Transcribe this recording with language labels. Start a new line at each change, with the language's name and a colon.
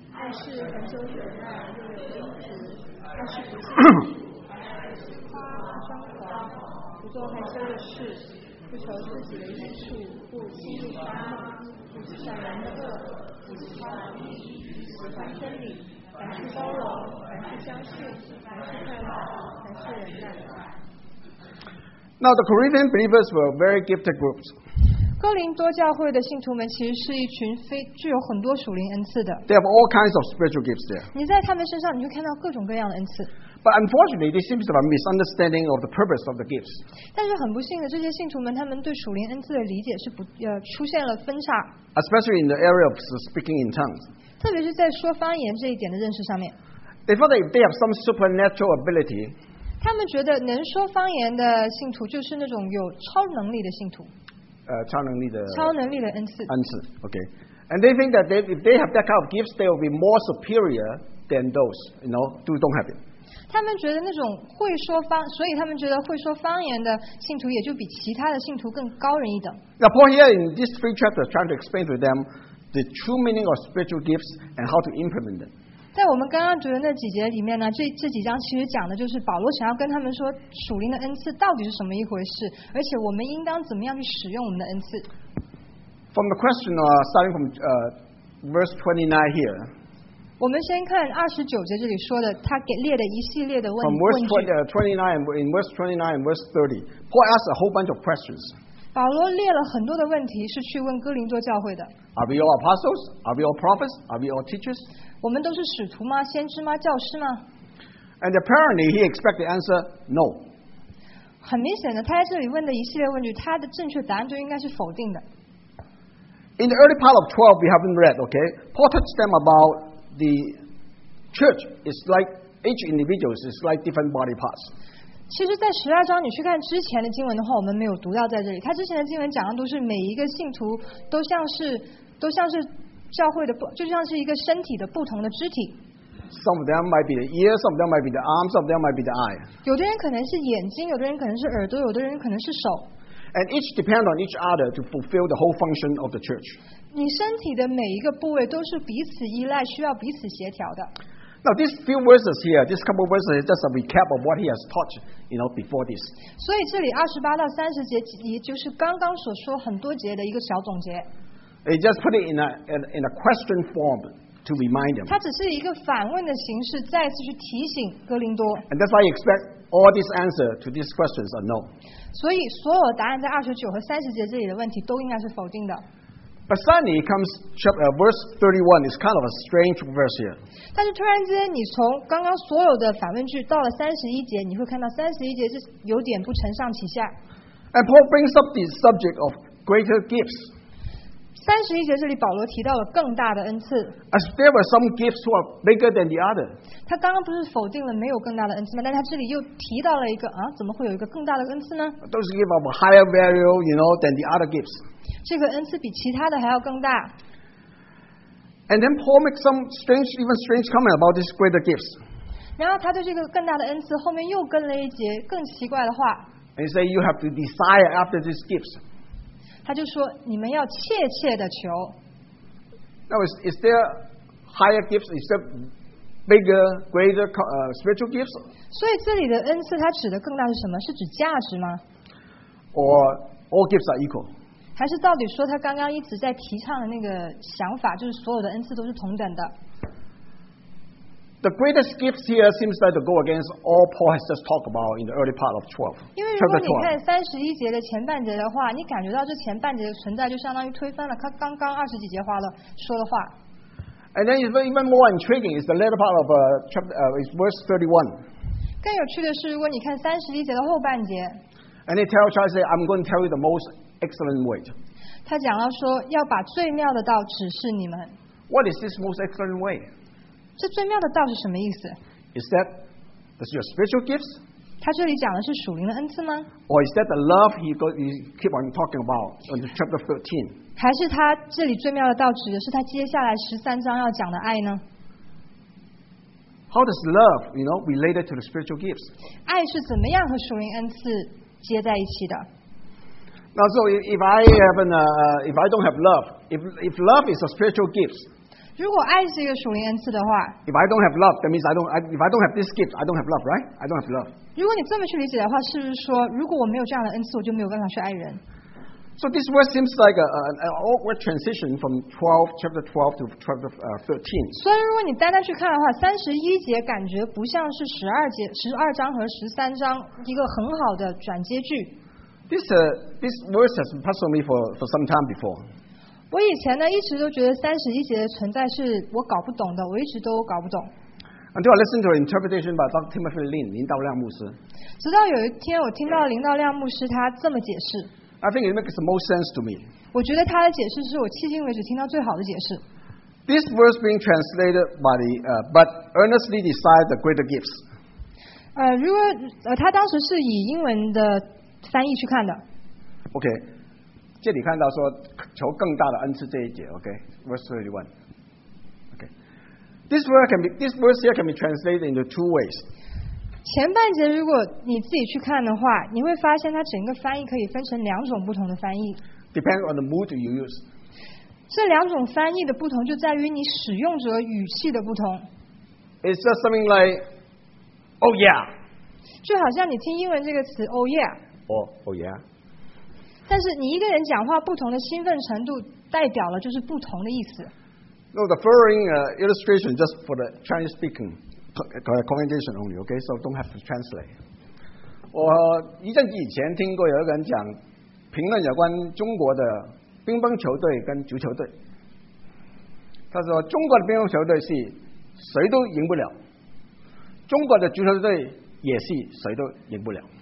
Chinese: 爱是恒久忍耐，又有恩慈，爱是不嫉妒，爱是夸张狂，不做害羞的事。不求自己的益处，不嫉妒他人，不计较人的恶，不喜欢利益，喜欢真理，凡事包容，凡事相信，凡事盼望，凡事忍耐。
English: Now the Corinthian believers were very gifted groups.
Chinese: 哥林多教会的信徒们其实是一群非具有很多属灵恩赐的。
English: They have all kinds of spiritual gifts there.
Chinese: 你在他们身上，你就看到各种各样的恩赐。
English: But unfortunately, they seem to have a misunderstanding of the purpose of the gifts.
Chinese: 但是很不幸的，这些信徒们他们对属灵恩赐的理解是不出现了分叉。
English: Especially in the area of speaking in tongues.
Chinese: 特别是在说方言这一点的认识上面。
English: They thought that if they have some supernatural ability.
Chinese: 他们觉得能说方言的信徒就是那种有超能力的信徒。超能力的恩赐。恩赐 ，okay。
English: And they think that if they have that kind of gifts, they will be more superior than those, you know, who don't have it.
Chinese: 他们觉得那种会说方，所以他们觉得会说方言的信徒也就比其他的信徒更高人一等。
English: Now Paul here in these three chapters trying to explain to them the true meaning of spiritual gifts and how to implement them.
Chinese: 在我们刚刚读的那几节里面呢，这几章其实讲的就是保罗想要跟他们说属灵的恩赐到底是什么一回事，而且我们应当怎么样去使用我们的恩赐。
English: From the question, starting from verse 29 here.
Chinese: 我们先看二十九节这里说的，他给列的一系列的问。
English: From verse 29, in verse 29 and verse 30, Paul asks a whole bunch of questions.
Chinese: 保罗列了很多的问题，是去问哥林多教会的。
English: Are we all apostles? Are we all prophets? Are we all teachers?
Chinese: 我们都是使徒吗？先知吗？教师吗？
English: And apparently he expected the answer no.
Chinese: 很明显的，他在这里问的一系列问题，他的正确答案就应该是否定的。
English: In the early part of 12, we haven't read, okay? Paul touched them about the church is like each individual is like different body parts.
Chinese: 其实，在十二章你去看之前的经文的话，我们没有读到在这里。他之前的经文讲的都是每一个信徒都像是。教会的就像是一个身体的不同的肢体。
English: Some of them might be the ear, some of them might be the arm, some of them might be the eye.
Chinese: 有的人可能是眼睛，有的人可能是耳朵，有的人可能是手。
English: And each depend on each other to fulfill the whole function of the church.
Chinese: 你身体的每一个部位都是彼此依赖，需要彼此协调的。
English: Now these few verses here, this couple of verses, is just a recap of what he has taught, you know, before this.
Chinese: 所以这里二十八到三十节，也就是刚刚所说很多节的一个小总结。
English: He just put it in a question form to remind them.
Chinese: 他只是一个反问的形式，再次去提醒哥林多。
English: And that's why he expects all these answers to these questions are no.
Chinese: 所以所有答案在二十九和三十节这里的问题都应该是否定的。
English: But suddenly comes verse 31. It's kind of a strange verse here.
Chinese: 但是突然之间，你从刚刚所有的反问句到了三十一节，你会看到三十一节是有点不承上启下。
English: And Paul brings up the subject of greater gifts.
Chinese: 三十一节这里保罗提到了更大的恩赐。
English: As there were some gifts who are bigger than the other.
Chinese: 他刚刚不是否定了没有更大的恩赐吗？但他这里又提到了一个啊，怎么会有一个更大的恩赐呢
English: ？Those gifts are higher value, you know, than the other gifts.
Chinese: 这个恩赐比其他的还要更大。
English: And then Paul makes some strange, even strange comment about these greater gifts.
Chinese: 然后他对这个更大的恩赐后面又跟了一节更奇怪的话。
English: And he say you have to desire after these gifts.
Chinese: 他就说你们要切切的求
English: Now is there higher gifts is there bigger greater spiritual gifts
Chinese: 所以这里的恩赐它指的更大是什么是指价值吗
English: Or all gifts are equal
Chinese: 还是到底说他刚刚一直在提倡的那个想法就是所有的恩赐都是同等的
English: The greatest gifts here seems like to go against all Paul has just talked about in the early part of 12
Chinese: 因为如果你看三十一节的前半节的话，你感觉到这前半节的存在就相当于推翻了他刚刚二十几节话的说的话。
English: And then even more intriguing is the latter part of chapter, is verse 31.
Chinese: 更有趣的是，如果你看三十一节的后半节
English: ，And he tells Charles, "I'm going to tell you the most excellent way."
Chinese: 他讲到说要把最妙的道指示你们。
English: What is this most excellent way?
Chinese: 这最妙的道是什么意思
English: ？Is that does your spiritual gifts?
Chinese: 他这里讲的是属灵的恩赐吗
English: ？Or is that the love he keep on talking about in chapter 13?
Chinese: 还是他这里最妙的道指的是他接下来十三章要讲的爱呢
English: ？How does love, you know, related to the spiritual gifts?
Chinese: 爱是怎么样和属灵恩赐接在一起的
English: ？Now, so if I don't have love, if love is a spiritual gift,
Chinese: 如果爱是一个属灵恩赐的话
English: ，If I don't have love, that means if I don't have this gift, I don't have love, right? I don't have love.
Chinese: 如果你这么去理解的话，是不是说，如果我没有这样的恩赐，我就没有办法去爱人
English: ？So this verse seems like an awkward transition from chapter 12 to chapter 13.
Chinese: 所以，如果你单单去看的话，三十一节感觉不像是十二节、十二章和十三章一个很好的转接句。
English: This verse has puzzled me for some time before.
Chinese: 我以前呢，一直都觉得三十一节的存在是我搞不懂的，我一直都搞不懂。
English: Until I listened to an interpretation by Dr. Timothy Lin, 林道亮牧师。
Chinese: 直到有一天，我听到林道亮牧师他这么解释。
English: I think it makes the most sense to me.
Chinese: 我觉得他的解释是我迄今为止听到最好的解释。
English: This verse being translated by the but earnestly desire the greater gifts.
Chinese: 如果他当时是以英文的翻译去看的。 Okay, 这里看到说求更大的恩赐这一节。
English: Okay, verse 31. This verse here can be translated into two ways.
Chinese: 前半节如果你自己去看的话，你会发现它整个翻译可以分成两种不同的翻译。
English: Depends on the mood you use.
Chinese: 这两种翻译的不同就在于你使用者语气的不同。
English: It's just something like, oh yeah.
Chinese: 就好像你听英文这个词
English: oh yeah. Oh yeah.
Chinese: 但是你一个人讲话不同的兴奋程度代表了就是不同的意思。
English: No, the following illustration just for the Chinese speaking congregation only, okay? So don't have to translate.
Chinese: 我一阵子以前听过有一个人讲评论有关中国的乒乓球队跟足球队。他说中国的乒乓球队是谁都赢不了，中国的足球队也是谁都赢不了。